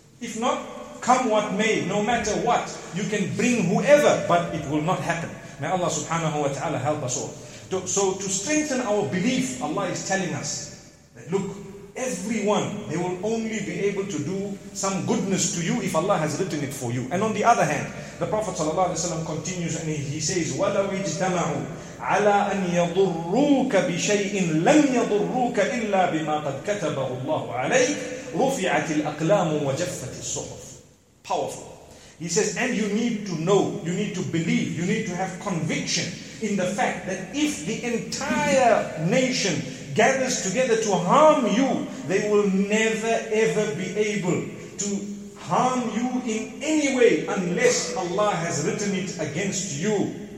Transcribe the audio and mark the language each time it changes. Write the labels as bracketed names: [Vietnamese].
[English] If not, come what may, no matter what, you can bring whoever, but it will not happen. May Allah subhanahu wa ta'ala help us all. So to strengthen our belief, Allah is telling us that look, everyone, they will only be able to do some goodness to you if Allah has written it for you. And on the other hand, the Prophet ﷺ continues and he says, [Arabic] وَلَوْ اجْتَمَعُوا عَلَىٰ أَن يَضُرُّوكَ بِشَيْءٍ لَمْ يَضُرُّوكَ إِلَّا بِمَا قَدْ كَتَبَهُ اللَّهُ عَلَيْكَ رُفِعَتِ الْأَقْلَامُ وَجَفَّتِ الصُّحُفُ. [English] Powerful. He says, and you need to know, you need to believe, you need to have conviction in the fact that if the entire nation gathers together to harm you, they will never ever be able to harm you in any way unless Allah has written it against you.